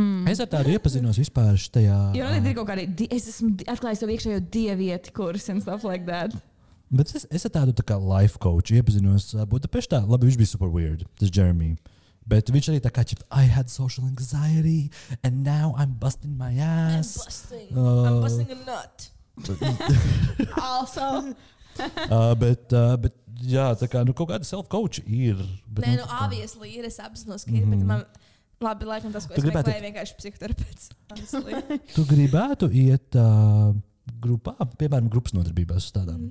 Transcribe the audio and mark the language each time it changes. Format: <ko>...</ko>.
<lv>Es ar tādu iepazinos vispār šitajā... Jo noteikti ir kaut kādi, es esmu atklājis to iekšējo dievieti kursi</lv> <en>and stuff like that.</en> <lv>Bet es ar tādu tā kā life coach iepazinos Budapeštā. Labi, viņš bija</lv> <en>super weird,</en> <lv>tas Jeremy. Bet viņš arī tā kā čip,</lv> <en>I had social anxiety and now I'm busting my ass. I'm busting a nut. Also.</en> <lv>bet jā, tā kā nu, kaut kāda self coach ir. Bet, nē, nu obviously ir, es apzinos, ka ir, bet man... Labi, laikam tas, ko tu es gribētu... meklēju, vienkārši psihoterapeits. Tu gribētu iet grupā, piemēram, grupas nodarbībās uz tādām?</lv>